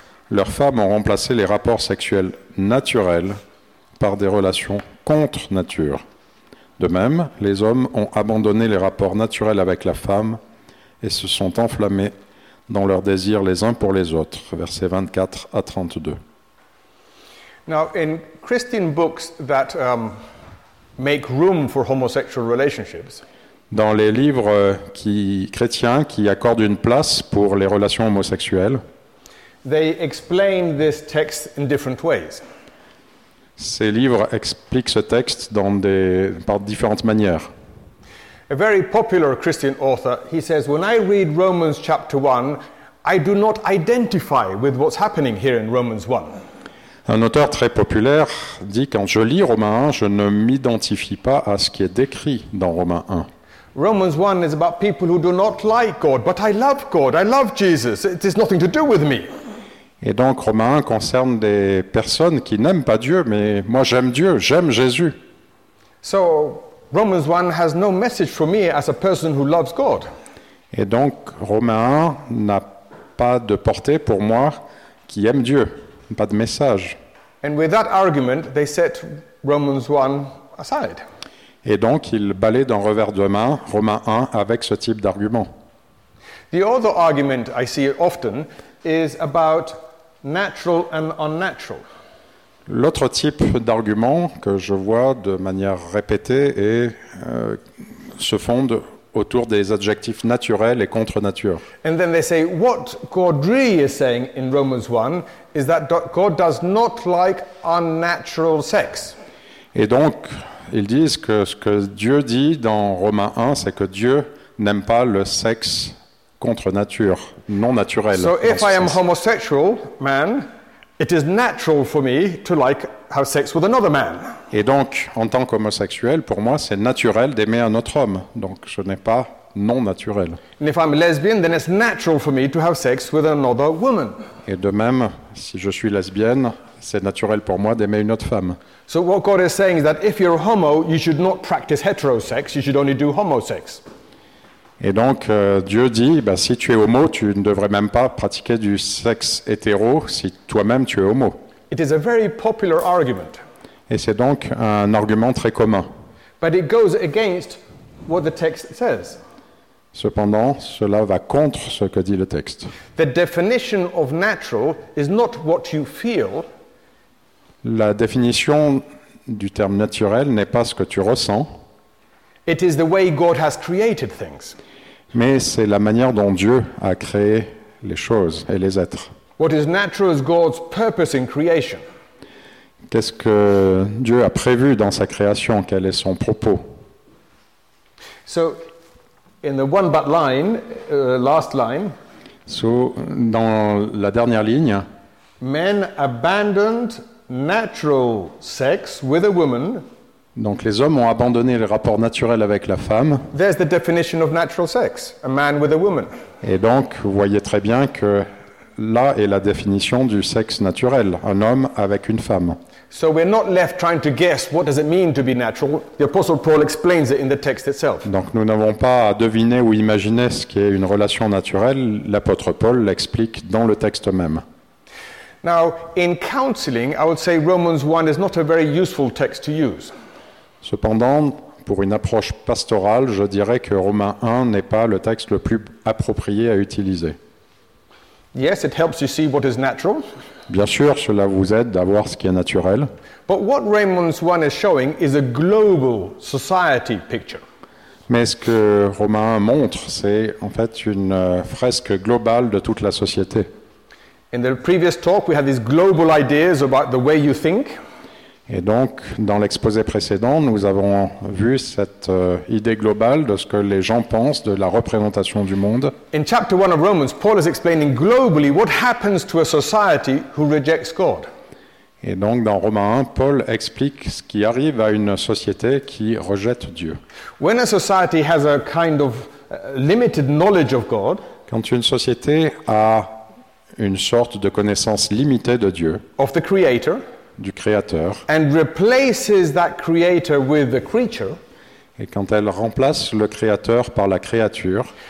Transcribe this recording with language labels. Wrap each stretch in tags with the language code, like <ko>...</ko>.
<fr>Leurs femmes ont remplacé les rapports sexuels naturels par des relations contre nature. De même, les hommes ont abandonné les rapports naturels avec la femme et se sont enflammés dans leurs désirs les uns pour les autres, versets 24 à 32.</fr> <en>Now, in Christian books that make room for homosexual relationships,</en> <fr>dans les livres chrétiens qui accordent une place pour les relations homosexuelles,</fr> <en>they explain this text in different ways.</en> <fr>Ces livres expliquent ce texte par différentes manières.</fr> <en>A very popular Christian author, he says, when I read Romans chapter 1, I do not identify with what's happening here in Romans 1.</en> <fr>Un auteur très populaire dit, quand je lis Romains 1, je ne m'identifie pas à ce qui est décrit dans Romains 1.</fr> <en>Romans 1 is about people who do not like God, but I love God, I love Jesus, it has nothing to do with me.</en> <fr>Et donc Romains 1 concerne des personnes qui n'aiment pas Dieu, mais moi j'aime Dieu, j'aime Jésus.</fr> <en>So, Romans 1 has no message for me as a person who loves God.</en> <fr>Et donc Romains 1 n'a pas de portée pour moi qui aime Dieu, pas de message.</fr> <en>And with that argument, they set Romans 1 aside.</en> <fr>Et donc il balaye d'un revers de main Romains 1 avec ce type d'argument.</fr> <en>The other argument I see often is about natural and unnatural.</en> <fr>L'autre type d'argument que je vois de manière répétée est, se fonde autour des adjectifs naturels et contre-nature.</fr> <en>And then they say what Gaudry is saying in Romans 1 is that God does not like unnatural sex.</en> <fr>Et donc ils disent que ce que Dieu dit dans Romains 1, c'est que Dieu n'aime pas le sexe contre-nature, non naturel.</fr> <en>So if I am homosexual man, it is natural for me to like have sex with another man.</en> <fr>Et donc, en tant qu'homosexuel, pour moi, c'est naturel d'aimer un autre homme. Donc, ce n'est pas non naturel.</fr> <en>And if I'm lesbian, then it's natural for me to have sex with another woman.</en> <fr>Et de même, si je suis lesbienne, c'est naturel pour moi d'aimer une autre femme.</fr> <en>So what God is saying is that if you're homo, you should not practice heterosex. You should only do homosex.</en> <fr>Et donc Dieu dit, bah, si tu es homo, tu ne devrais même pas pratiquer du sexe hétéro si toi-même tu es homo.</fr> <en>It is a very popular argument.</en> <fr>Et c'est donc un argument très commun.</fr> <en>But it goes against what the text says.</en> <fr>Cependant, cela va contre ce que dit le texte.</fr> <en>The definition of natural is not what you feel.</en> <fr>La définition du terme naturel n'est pas ce que tu ressens.</fr> <en>It is the way God has created things.</en> <fr>Mais c'est la manière dont Dieu a créé les choses et les êtres.</fr> <en>What is natural is God's purpose in creation.</en> <fr>Qu'est-ce que Dieu a prévu dans sa création? Quel est son propos?</fr> <en>So, in the one but line, last line.</en> <fr>So, dans la dernière ligne.</fr> <en>Men abandoned natural sex with a woman.</en> <fr>Donc les hommes ont abandonné les rapports naturels avec la femme.</fr> <en>There's the definition of natural sex, a man with a woman.</en> <fr>Et donc vous voyez très bien que là est la définition du sexe naturel, un homme avec une femme.</fr> <en>So we're not left trying to guess what does it mean to be natural. The apostle Paul explains it in the text itself.</en> <fr>Donc nous n'avons pas à deviner ou imaginer ce qu'est une relation naturelle, l'apôtre Paul l'explique dans le texte même.</fr> <en>Now in counseling, I would say Romans 1 is not a very useful text to use.</en> <fr>Cependant, pour une approche pastorale, je dirais que Romains 1 n'est pas le texte le plus approprié à utiliser.</fr> <en>Yes, it helps you see what is natural.</en> <fr>Bien sûr, cela vous aide à voir ce qui est naturel.</fr> <en>But what Romans 1 is showing is a global society picture.</en> <fr>Mais ce que Romains 1 montre, c'est en fait une fresque globale de toute la société.</fr> <en>In the previous talk, we had these global ideas about the way you think.</en> <fr>Et donc, dans l'exposé précédent, nous avons vu cette idée globale de ce que les gens pensent de la représentation du monde.</fr> <en>In chapter 1 of Romans, Paul is explaining globally what happens to a society who rejects God.</en> <fr>Et donc, dans Romains 1, Paul explique ce qui arrive à une société qui rejette Dieu.</fr> <en>When a society has a kind of limited knowledge of God,</en> <fr>quand une société a une sorte de connaissance limitée de Dieu,</fr> <en>of the Creator,</en> <fr>du Créateur,</fr> <en>and replaces that creator with the creature,</en> <fr>et quand elle remplace le Créateur par la créature,</fr>